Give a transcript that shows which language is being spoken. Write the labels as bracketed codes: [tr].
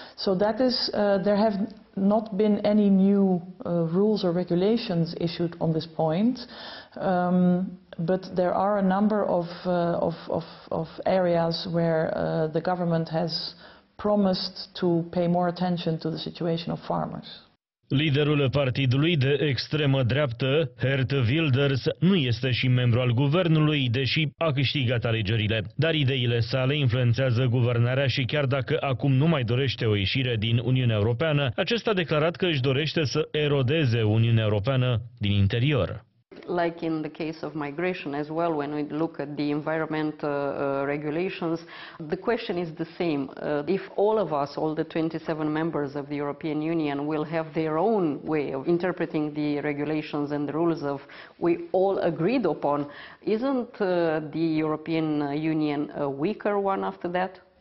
[en] So that is, there have not been any new rules or regulations issued on this point. But there are a number of areas where the government has promised to pay more attention to the situation of farmers. [ro] Liderul partidului de extremă dreaptă, Geert Wilders, nu este și membru al guvernului, deși a câștigat alegerile. Dar ideile sale influențează guvernarea și chiar dacă acum nu mai dorește o ieșire din Uniunea Europeană, acesta a declarat că își dorește să erodeze Uniunea Europeană din interior. [en] Like in the case of migration as well, when we look at the environment regulations, the question is the same. If all of us, all the 27 members of the European Union, will have their own way of interpreting the regulations and the rules of we all agreed upon, isn't the European Union a weaker one after that?